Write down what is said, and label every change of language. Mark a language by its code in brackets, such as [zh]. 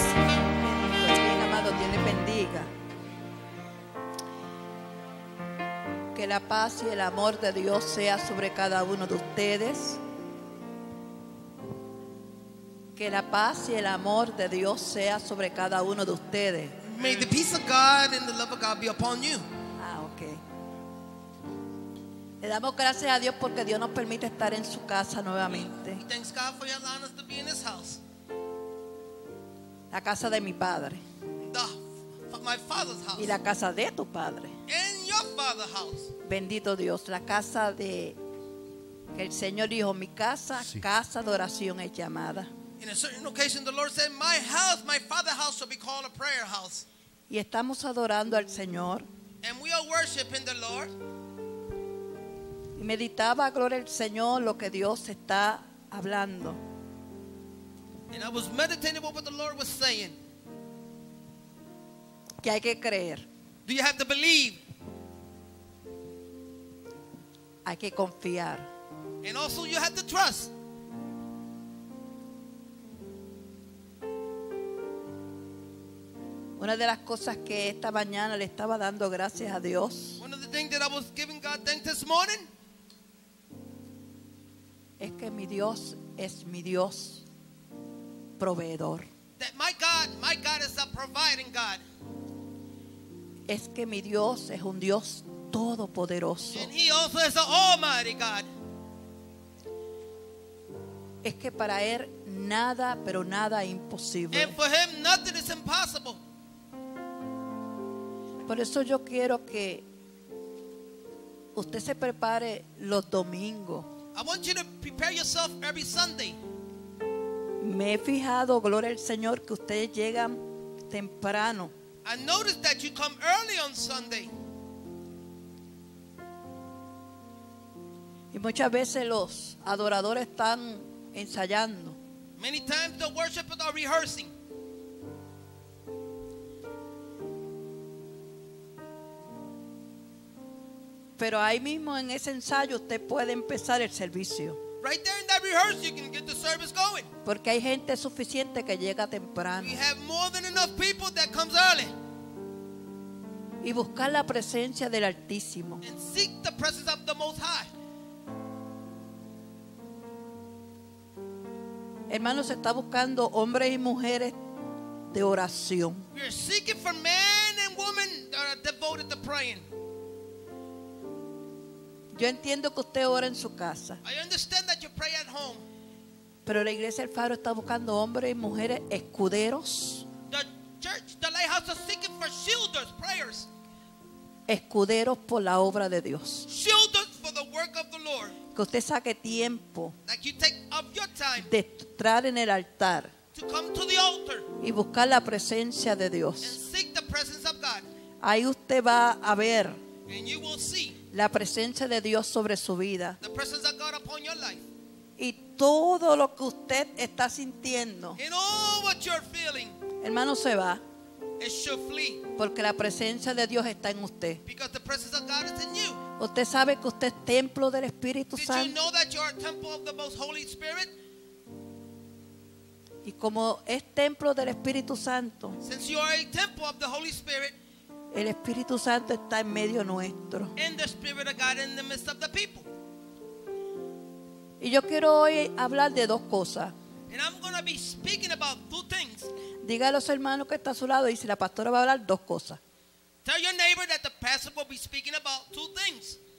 [es] Bien, amado, Dios les bendiga. Que la paz y el amor de Dios sea sobre cada uno de ustedes. Que la paz y el amor de Dios sea sobre cada uno de ustedes. [en] May the peace of God and the love of God be upon you. Ah, okay. [es] Le damos gracias a Dios porque Dios nos permite estar en su casa nuevamente. [en] He thanks God for allowing us to be in his house. [es] La casa de mi padre. [en] My father's house. [es] Y la casa de tu padre. [en] And your father's house. [es] Bendito Dios, la casa de que el Señor dijo, mi casa, sí. Casa de oración es llamada. [en] In a certain occasion, the Lord said, "My house, my father's house, shall be called a prayer house." [es] Y estamos adorando al Señor. [en] And we are worshiping the Lord. [es] Y meditaba, gloria al Señor, lo que Dios está hablando. [en] And I was meditating on what the Lord was saying. [es] Que hay que creer. [en] Do you have to believe? [es] Hay que confiar. [en] And also, you have to trust. [es] Un Una de las cosas que esta mañana le estaba dando gracias a Dios. [en] One of the things that I was giving God thanks this morning. [es] Es que mi Dios es mi Dios proveedor. [en] That my God is a providing God. [es] Es que mi Dios es un Dios todopoderoso. [en] And he also is an almighty God. [es] Es que para él nada, pero nada imposible. [en] And for him nothing is impossible. [es] Por eso yo quiero que usted se prepare los domingos. [en] I want you to prepare yourself every Sunday. [es] Me he fijado, gloria al Señor, que ustedes llegan temprano. [en] I noticed that you come early on Sunday. [es] Y muchas veces los adoradores están ensayando. [en] Many times the worshipers are rehearsing. [es] Pero ahí mismo en ese ensayo usted puede empezar el servicio. [en] Right there in that rehearsal you can get the service going. [es] Porque hay gente suficiente que llega temprano. [en] We have more than enough people that comes early. [es] Y buscar la presencia del Altísimo. [en] And seek the presence of the Most High. [es] Hermanos, se está buscando hombres y mujeres de oración. [en] We are seeking for men and women that are devoted to praying. [es] Yo entiendo que usted ora en su casa. [en] I understand that you pray at home. [es] Pero la iglesia del Faro está buscando hombres y mujeres escuderos. [en] The church, the lighthouse is seeking for shielders, prayers. [es] Escuderos por la obra de Dios. [en] Shielders for the work of the Lord. [es] Que usted saque tiempo. [en] Like you take up your time. [es] De entrar en el altar. [en] To come to the altar. [es] Y buscar la presencia de Dios. [en] And seek the presence of God. [es] Ahí usted va a ver. [en] And you will see. [es] La presencia de Dios sobre su vida. [en] The presence of God upon your life. [es] Y todo lo que usted está sintiendo. [en] And all what you're feeling. [es] Hermano, se va. [en] It should flee. [es] Porque la presencia de Dios está en usted. [en] Because the presence of God is in you. [es] Usted sabe que usted es templo del Espíritu Santo. [en] Did you know that you are a temple of the Most Holy Spirit? [es] Y como es templo del Espíritu Santo. [en] Since you are a temple of the Holy Spirit. [es] El Espíritu Santo está en medio nuestro. [en] In the Spirit of God in the midst of the people. [es] Y yo quiero hoy hablar de dos cosas. [en] And I'm going to be speaking about two things. [es] Diga a los hermanos que está a su lado y si la pastora va a hablar dos cosas. [en] Tell your neighbor that the pastor will be speaking about two things.